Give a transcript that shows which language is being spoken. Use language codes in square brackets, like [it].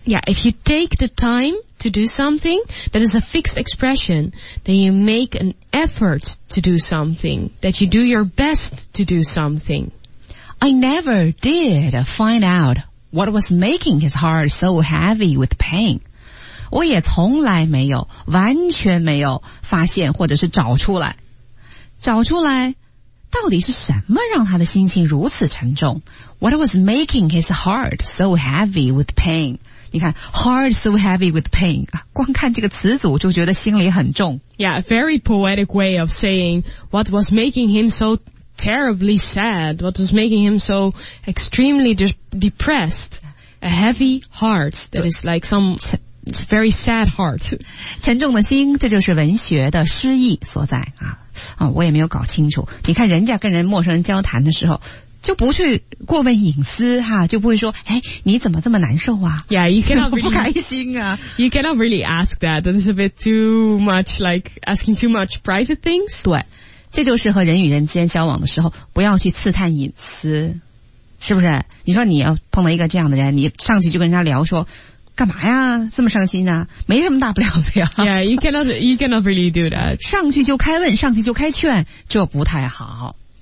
[en] Yeah, if you take the time to do something, that is a fixed expression, then you make an effort to do something, that you do your best to do something. I never did find out what was making his heart so heavy with pain. [zh] 我也从来没有，完全没有发现或者是找出来到底是什么让他的心情如此沉重？ [en] What was making his heart so heavy with pain? [zh] 你看 [en] heart so heavy with pain, [zh] 光看这个词组就觉得心里很重。 [en] Yeah, a very poetic way of saying what was making him so terribly sad, what was making him so extremely depressed, a heavy heart that is like some very sad heart. [zh] 沉重的心，这就是文学的诗意所在啊。哦、我也没有搞清楚，你看人家跟人陌生人交谈的时候就不去过问隐私哈，就不会说哎，你怎么这么难受啊 [en] yeah, you cannot really, [zh] 不开心啊 [en] you cannot really ask that, that's a bit too much like asking too much private things. [zh] 对，这就是和人与人之间交往的时候不要去刺探隐私，是不是？你说你要碰到一个这样的人，你上去就跟人家聊说干嘛呀？这么伤心啊？没什么大不了的呀。 [en] Yeah, you cannot really do that. [zh] 上去就开问，上去就开劝，这不太好。